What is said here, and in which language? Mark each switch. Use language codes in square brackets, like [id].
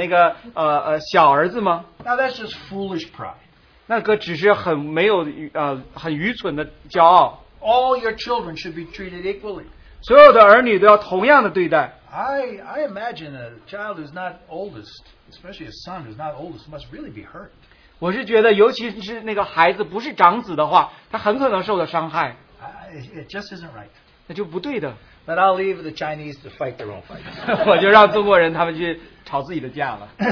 [zh] 你看在圣经当中，神常常拣选那个小儿子吗？ [en] Now that's just foolish pride. [zh] 那个只是很愚蠢的骄傲。 [en] All your children should be treated equally. [zh] 所有的儿女都要同样的对待。 [en] I imagine a child who's not oldest, especially a son who's not oldest, must really be hurt. [zh] 我是觉得尤其是那个孩子不是长子的话，他很可能受到伤害。 [en] It just isn't right. [zh] 那就不对的。 [en] But I'll leave the Chinese to fight their own fight. [zh] 我就让中国人他们去吵自己的架了。